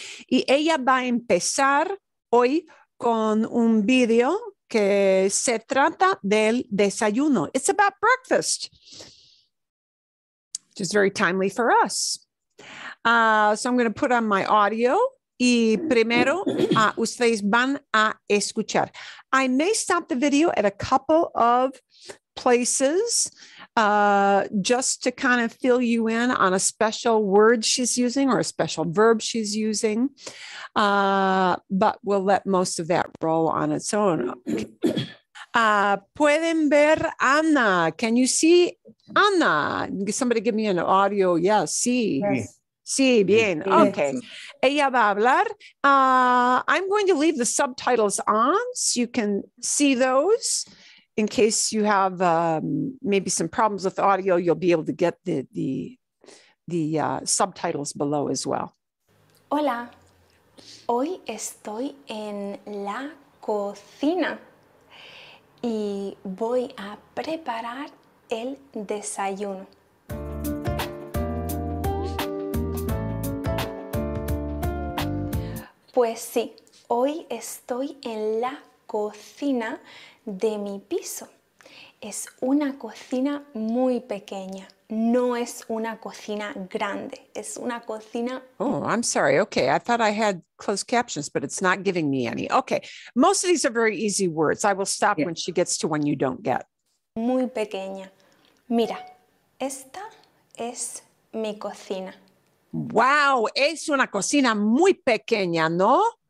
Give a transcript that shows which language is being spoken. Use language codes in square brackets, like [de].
[es] Y ella va a empezar hoy con un video que se trata del desayuno. [en] It's about breakfast, which is very timely for us. So I'm going to put on my audio. [es] Y primero, ustedes van a escuchar. [en] I may stop the video at a couple of places just to kind of fill you in on a special word she's using or a special verb she's using. But we'll let most of that roll on its own. [es] ¿Pueden ver Ana? [en] Can you see Ana? Somebody give me an audio. Yeah, sí. Yes. [es] Sí, bien. [en] Okay. [es] Ella va a hablar. [en] I'm going to leave the subtitles on so you can see those in case you have maybe some problems with audio. You'll be able to get the subtitles below as well. [es] Hola. Hoy estoy en la cocina y voy a preparar el desayuno. Pues sí, hoy estoy en la cocina de mi piso. Es una cocina muy pequeña, no es una cocina grande, es una cocina... [en] Oh, I'm sorry. Okay, I thought I had closed captions, but it's not giving me any. Okay, most of these are very easy words. I will stop when she gets to one you don't get. [es] Muy pequeña. Mira, esta es mi cocina. Wow, es una cocina muy pequeña, ¿no?